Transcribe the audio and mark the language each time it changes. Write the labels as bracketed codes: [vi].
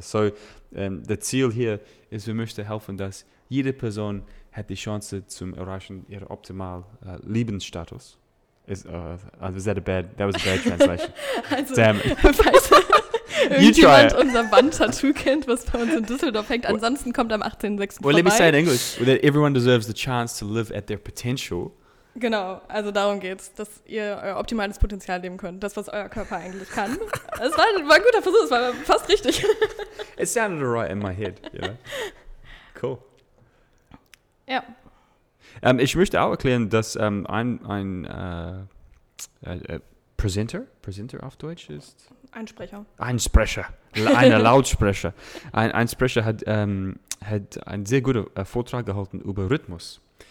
[de] So, das Ziel hier ist, wir möchten helfen, dass jede Person hat die Chance zum Erreichen ihrer optimalen Lebensstatus. [en] Was that a bad translation? Also, damn it. [de] Falls irgendjemand unser Wandtattoo kennt, was bei uns in Düsseldorf hängt, ansonsten kommt am 18.06. [en] Well, [de] vorbei. [en] Let me say in English, that everyone deserves the chance to live at their potential. [de] Genau, also darum geht's, dass ihr euer optimales Potenzial leben könnt. Das, was euer Körper eigentlich kann. Es war ein guter Versuch, es war fast richtig. [en] It sounded right in my head, you know? Cool. [de] Ja. Ich möchte auch erklären, dass ein Presenter auf Deutsch ist? Ein Sprecher. Ein Lautsprecher. Ein Sprecher hat einen sehr guten Vortrag gehalten über Rhythmus.